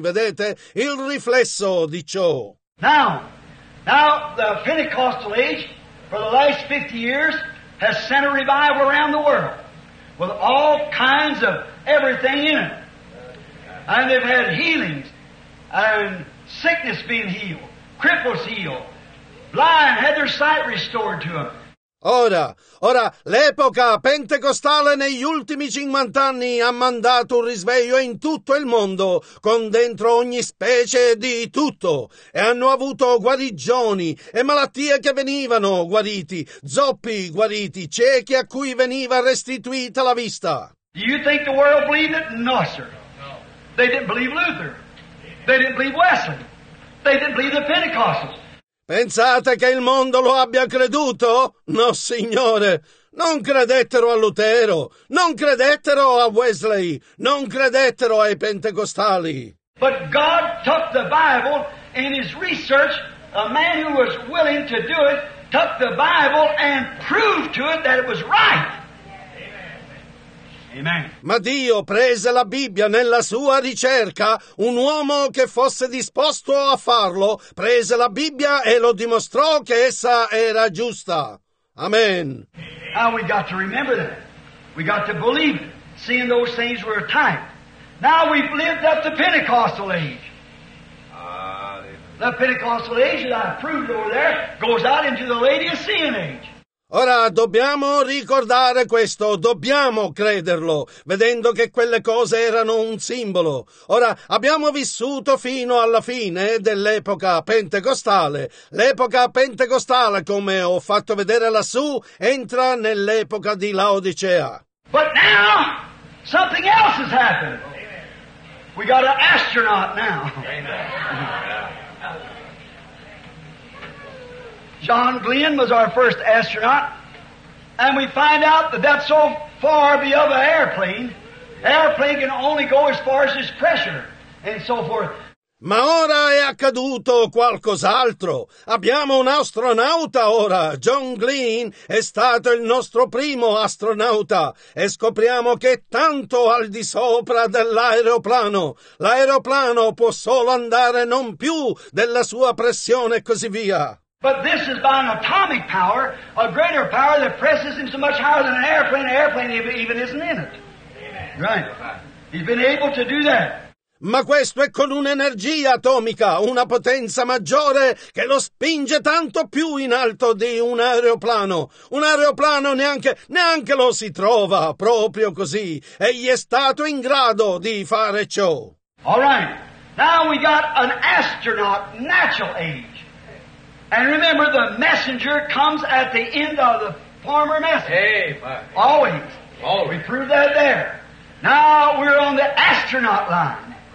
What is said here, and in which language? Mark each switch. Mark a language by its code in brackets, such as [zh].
[it] Vedete? Il riflesso di ciò. [en] Now the Pentecostal age for the last 50 years has sent a revival around the world with all kinds of everything in it. And they've had healings and sickness being healed, cripples healed, blind had their sight restored to them. [it] Ora, l'epoca pentecostale negli ultimi 50 anni ha mandato un risveglio in tutto il mondo, con dentro ogni specie di tutto, e hanno avuto guarigioni e malattie che venivano guariti, zoppi guariti, ciechi a cui veniva restituita la vista. [en] Do you think the world believed it? No, sir. They didn't believe Luther. They didn't believe Wesley. They didn't believe the Pentecostals. [it] Pensate che il mondo lo abbia creduto? No, signore! Non credettero a Lutero! Non credettero a Wesley! Non credettero ai pentecostali! [en] But God took the Bible in his research, a man who was willing to do it, took the Bible and proved to it that it was right! Amen. [it] Ma Dio prese la Bibbia nella sua ricerca, un uomo che fosse disposto a farlo, prese la Bibbia e lo dimostrò che essa era giusta. Amen. [en] Now we got to remember that. We got to believe it, seeing those things were typed. Now we've lived up the Pentecostal age. The Pentecostal age that I've proved over there goes out into the Laodicean age. [it] Ora dobbiamo ricordare questo, dobbiamo crederlo, vedendo che quelle cose erano un simbolo. Ora abbiamo vissuto fino alla fine dell'epoca pentecostale. L'epoca pentecostale, come ho fatto vedere lassù, entra nell'epoca di Laodicea. [en] But now something else has happened. We got an astronaut now. John Glenn was our first astronaut, and we find out that that's so far beyond an airplane. An airplane can only go as far as its pressure, and so forth. [it] Ma ora è accaduto qualcos'altro. Abbiamo un astronauta ora. John Glenn è stato il nostro primo astronauta e scopriamo che è tanto al di sopra dell'aeroplano. L'aeroplano può solo andare non più della sua pressione e così via. [en] But this is by an atomic power, a greater power that presses him so much higher than an airplane. An airplane even isn't in it. Amen. Right. He's been able to do that. [it] Ma questo è con un'energia atomica, una potenza maggiore che lo spinge tanto più in alto di un aeroplano. Un aeroplano neanche lo si trova proprio così. Egli è stato in grado di fare ciò. [en] All right. Now we got an astronaut natural age. And remember, the messenger comes at the end of the former message. Hey, always. Oh, we proved that there. Now we're on the astronaut line.